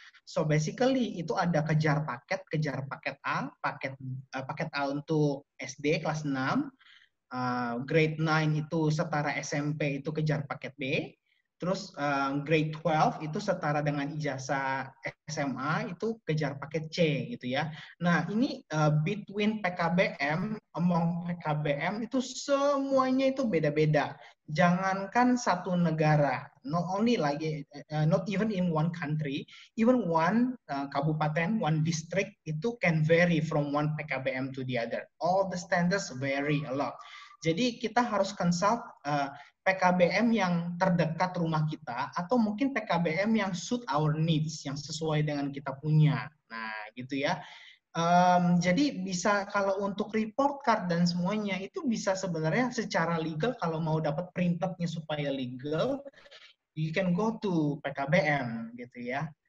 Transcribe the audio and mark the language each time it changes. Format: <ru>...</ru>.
<id>So basically itu ada kejar paket A, paket A untuk SD kelas 6, grade 9 itu setara SMP itu kejar paket B. Terus grade 12 itu setara dengan ijazah SMA itu kejar paket C gitu ya. Nah ini between PKBM, among PKBM itu semuanya itu beda-beda. Jangankan satu negara,</id> <en>not only like not even in one country, even one kabupaten, one district itu can vary from one PKBM to the other. All the standards vary a lot.</en> <id>Jadi kita harus consult PKBM yang terdekat rumah kita atau mungkin PKBM yang</id> <en>suit our needs,</en> <id>yang sesuai dengan kita punya. Nah, gitu ya. Jadi bisa kalau untuk report card dan semuanya itu bisa sebenarnya secara legal kalau mau dapat printednya supaya legal,</id> <en>you can go to PKBM,</en> <id>gitu ya.</id>